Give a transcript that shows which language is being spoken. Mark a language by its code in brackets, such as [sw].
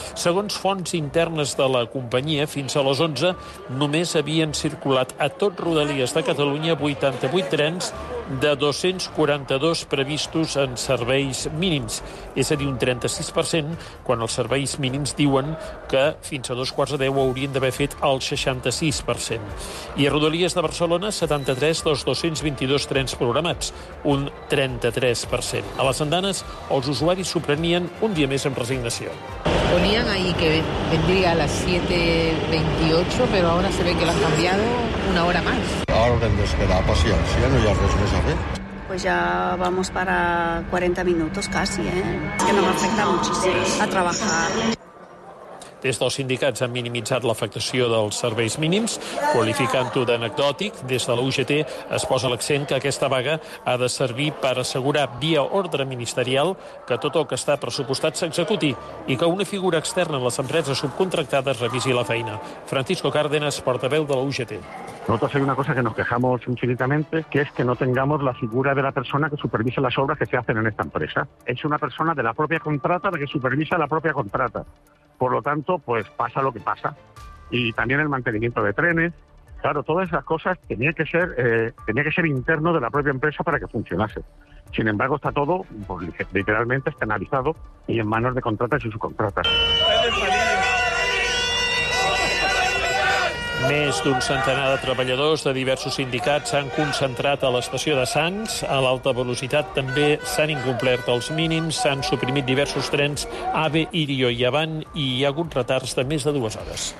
[ca] Segons fonts internes de la companyia, fins a les 11 només havien circulat a tot Rodalies de Catalunya 88 trens de 242 previstos en serveis mínims, és a dir, un 36%, quan els serveis mínims diuen que fins a 9:45 haurien d'haver fet el 66%. I a Rodalies de Barcelona, 73 dels 222 trens programats, un 33%. A les andanes, els usuaris s'ho prenien un dia més amb resignació. [es] Ponían ahí que vendría a las 7:28, pero ahora se ve que lo han cambiado una hora más. [ca] Ahora hem d'esperar paciència, no hi ha res més a fer. [es] Pues ya vamos para 40 minutos casi, [ca] que no m'afecta [es] muchísimo a trabajar. [ca] Des dels sindicats han minimitzat l'afectació dels serveis mínims, qualificant-ho d'anecdòtic. Des de la UGT es posa l'accent que aquesta vaga ha de servir per assegurar via ordre ministerial que tot el que està pressupostat s'executi i que una figura externa en les empreses subcontractades revisi la feina. Francisco Cárdenas, portaveu de la UGT. [es] Nosotros hay una cosa que nos quejamos infinitamente, que es que no tengamos la figura de la persona que supervisa las obras que se hacen en esta empresa. Es una persona de la propia contrata la que supervisa la propia contrata. Por lo tanto, pues pasa lo que pasa. Y también el mantenimiento de trenes. Claro, todas esas cosas tenía que ser interno de la propia empresa para que funcionase. Sin embargo, está todo pues, literalmente externalizado y en manos de contratas y subcontratas. [ca] Més d'un centenar de treballadors de diversos sindicats s'han concentrat a l'estació de Sants. A l'alta velocitat també s'han incomplert els mínims, s'han suprimit diversos trens AVE, Irio i Avant i hi ha hagut retards de més de 2 hores.